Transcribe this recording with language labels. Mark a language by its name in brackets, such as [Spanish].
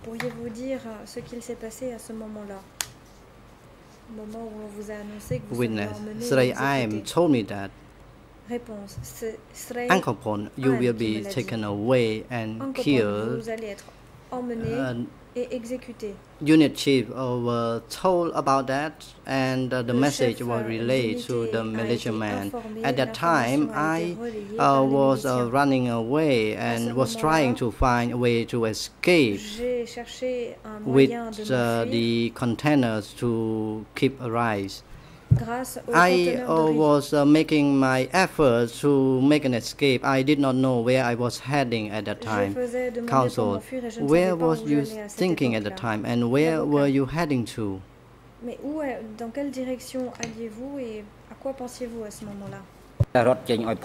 [French] Pourriez-vous dire ce qu'il s'est passé à ce moment-là? Au moment où on vous a annoncé que vous êtes emmené. [English] Witness, Srei told me that. [French] Réponse. [English] Uncle Pon, you will be taken away and killed. [French] Vous allez être emmené et exécuté. [English] Unit chief were told about that, and the message was relayed to the militia man. At that time, I was running away and was trying to find a way to escape with the containers to keep a rise. I was making my effort to make an escape. I did not know where I was heading at that time. Counsel, where was you thinking at the time, and where were you heading to? [French] Mais où, dans quelle direction alliez-vous et à quoi pensiez-vous à ce moment-là?